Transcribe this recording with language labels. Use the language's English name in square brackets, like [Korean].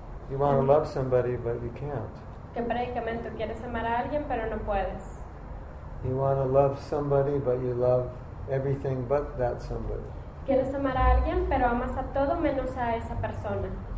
[English] You want to love somebody, but you can't. [Spanish] ¿Qué predicamento? ¿Quieres amar a alguien, pero no puedes? [English] You want to love somebody, but you love everything but that somebody. [Spanish] ¿Quieres amar a alguien, pero amas a todo menos a esa persona?